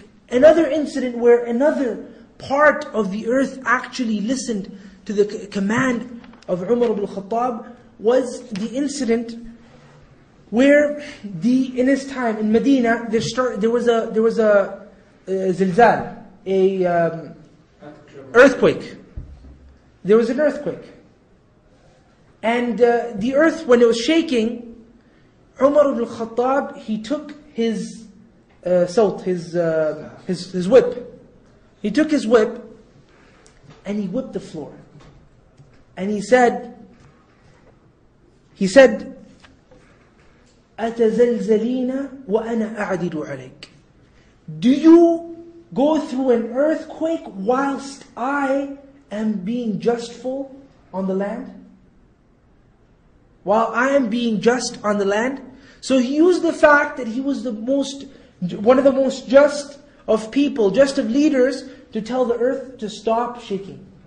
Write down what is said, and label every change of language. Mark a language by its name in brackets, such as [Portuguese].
[English] Another incident where another part of the earth actually listened to the command of Umar ibn al-Khattab was the incident where in his time in Medina there was a zilzal, an earthquake. There was an earthquake. And the earth, when it was shaking, Umar ibn al-Khattab, he took his whip. He took his whip and he whipped the floor. [Arabic] And he said, أَتَزَلْزَلِينَ وَأَنَا أَعْدِدُ عَلَيْكَ. [English] Do you go through an earthquake whilst I am being justful on the land? While I am being just on the land? So he used the fact that he was one of the most just of people, just of leaders, to tell the earth to stop shaking.